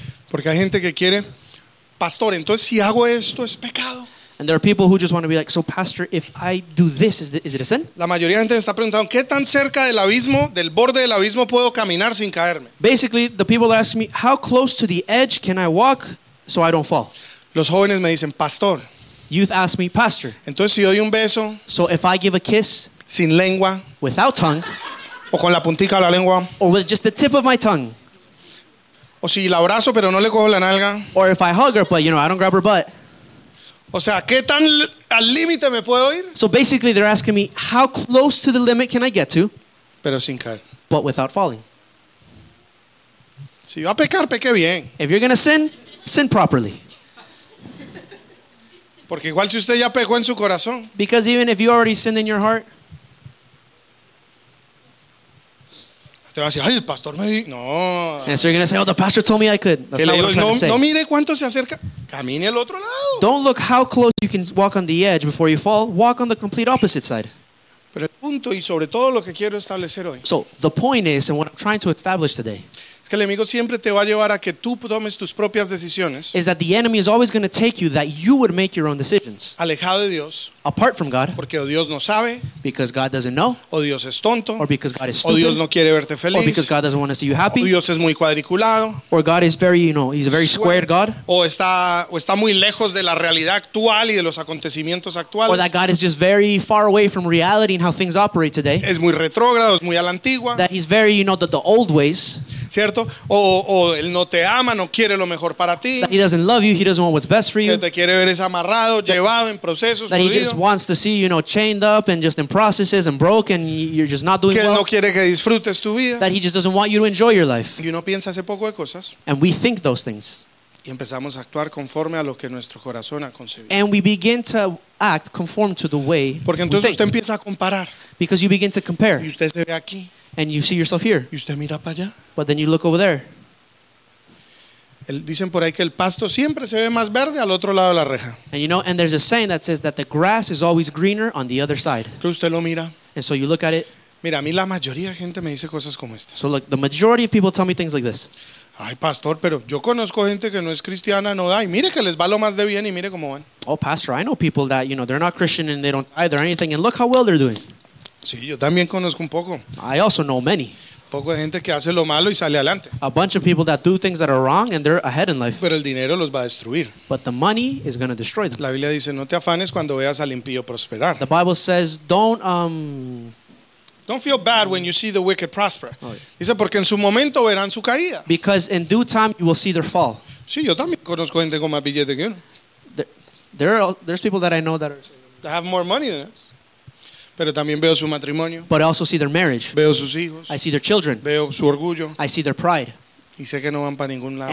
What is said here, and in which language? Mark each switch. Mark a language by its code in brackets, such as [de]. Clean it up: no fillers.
[es] Porque hay gente que quiere, pastor, entonces si hago esto es pecado. [en] And there are people who just want to be like, so pastor, if I do this, is it a sin? [es] La mayoría de gente está preguntando, ¿qué tan cerca del abismo, del borde del abismo puedo caminar sin caerme? [en] Basically, the people are asking me, how close to the edge can I walk so I don't fall? [es] Los jóvenes me dicen, pastor. [en] Youth ask me, pastor. [es] Entonces si doy un beso. [en] So if I give a kiss. [es] Sin lengua. [en] Without tongue. [es] O con la puntica de la lengua. [en] Or with just the tip of my tongue. [es] O si la abrazo pero no le cojo la nalga. [en] Or if I hug her but you know I don't grab her butt. [es] O sea, ¿qué tan al límite me puedo ir? [en] So basically they're asking me how close to the limit can I get to? [es] Pero sin caer. [en] But without falling. [es] Si va a pecar, peque bien. [en] If you're going to sin, sin properly. [es] Porque igual si usted ya pecó en su corazón. [en] Because even if you already sinned in your heart. [es] Usted va a decir, ay, el pastor me dijo. No. [en] And so you're going to say, oh, the pastor told me I could. That's not what I'm trying to say. [es] No mire cuánto se acerca. Camine al otro lado. [en] Don't look how close you can walk on the edge before you fall. Walk on the complete opposite side. [es] Pero el punto y sobre todo lo que quiero establecer hoy. [en] So the point is, and what I'm trying to establish today. [es] Es que el enemigo siempre te va a llevar a que tú tomes tus propias decisiones. [en] Is that the enemy is always going to take you that you would make your own decisions. [es] Alejado de Dios. [en] Apart from God. [es] Porque Dios no sabe. [en] Because God doesn't know. [es] O Dios es tonto. [en] Or because God is stupid. [es] O Dios no quiere verte feliz. [en] Or because God doesn't want to see you happy. [es] O Dios es muy cuadriculado. [en] Or God is very, you know, he's a very squared God. [es] O está muy lejos de la realidad actual y de los acontecimientos actuales. [en] Or that God is just very far away from reality and how things operate today. [es] Es muy retrógrado, es muy a la antigua. [en] That he's very, you know, the old ways. [es] ¿Cierto? O él no te ama, no quiere lo mejor para ti. [en] That he doesn't love you, he doesn't want what's best for you. [es] Que te quiere ver es amarrado, llevado en procesos, jodido. [en] Wants to see you know chained up and just in processes and broken. You're just not doing [es] que [en] well. [es] No quiere que disfrutes tu vida. [en] That he just doesn't want you to enjoy your life. [es] Y uno piensa hace poco de cosas. [en] And we think those things. [es] Y empezamos a actuar conforme a lo que nuestro corazón ha concebido. [en] And we begin to act conform to the way. [es] Porque entonces usted empieza a comparar. [en] Because you begin to compare. [es] Y usted se ve aquí. [en] And you see yourself here. [es] Y usted mira para allá. [en] But then you look over there. [es] Dicen por ahí que el pasto siempre se ve más verde al otro lado de la reja. [en] And you know, and there's a saying that says that the grass is always greener on the other side. [es] Pero usted lo mira. [en] And so you look at it. [es] Mira, a mí la mayoría de gente me dice cosas como estas. [en] So look, the majority of people tell me things like this. [es] Ay, pastor, pero yo conozco gente que no es cristiana, no da. Y mire que les va lo más de bien y mire cómo van. [en] Oh, pastor, I know people that, you know, they're not Christian and they don't either anything. And look how well they're doing. [es] Sí, yo también conozco un poco. [en] I also know many. [es] Poco de gente que hace lo malo y sale adelante. [en] A bunch of people that do things that are wrong and they're ahead in life. [es] Pero el dinero los va a destruir. [en] But the money is going to destroy them. [es] La Biblia dice, no te afanes cuando veas al impío prosperar. [en] The Bible says, don't feel bad when you see the wicked prosper. Oh, yeah. [es] Dice, porque en su momento verán su caída. [en] Because in due time you will see their fall. [es] Sí, yo también conozco gente con más billete que uno. [en] There's people that I know that have more money than us. [es] Pero también veo su matrimonio. [en] But I also see their marriage. [es] Veo sus hijos. [en] I see their children. [es] Veo su orgullo. [en] I see their pride. [es] Y sé que no van para ningún lado.